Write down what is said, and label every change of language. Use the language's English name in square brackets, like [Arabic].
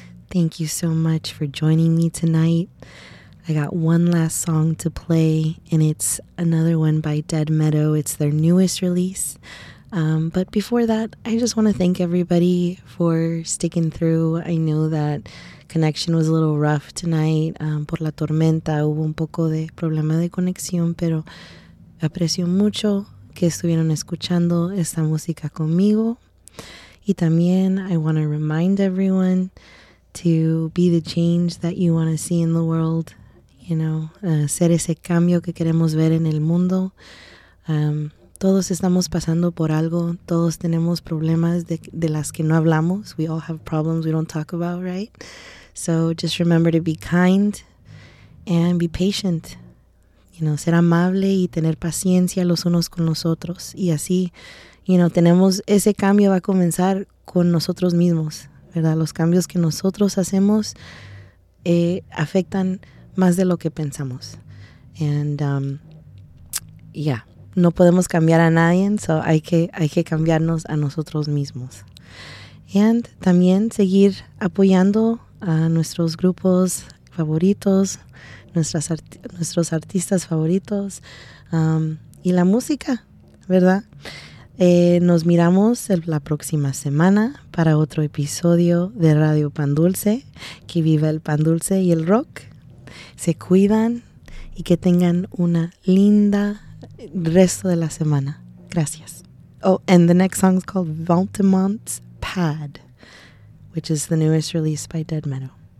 [English] Thank you so much for joining me tonight. I got one last song to play, and it's another one by Dead Meadow. It's their newest release. But before that, I just want to thank everybody for sticking through. I know that connection was a little rough tonight. [Spanish] Por la tormenta hubo un poco de problema de conexión, pero aprecio mucho que estuvieron escuchando esta música conmigo. Y también [English] I want to remind everyone to be the change that you want to see in the world. You know, [Spanish] ser ese cambio que queremos ver en el mundo. Todos estamos pasando por algo. Todos tenemos problemas de las que no hablamos. [English] We all have problems we don't talk about, right? So just remember to be kind and be patient. You know, [Spanish] ser amable y tener paciencia los unos con los otros. Y así, [English] you know, [Spanish] tenemos ese cambio va a comenzar con nosotros mismos, ¿verdad? Los cambios que nosotros hacemos afectan más de lo que pensamos. [English] And, yeah. [Spanish] No podemos cambiar a nadie, so hay que cambiarnos a nosotros mismos. And también seguir apoyando a nuestros grupos favoritos, nuestros artistas favoritos, y la música, ¿verdad? Nos miramos la próxima semana para otro episodio de Radio Pan Dulce. Que viva el pan dulce y el rock. Se cuidan y que tengan una linda resto de la semana. Gracias. [English] Oh, and the next song is called Valtemont's Pad, which is the newest release by Dead Meadow.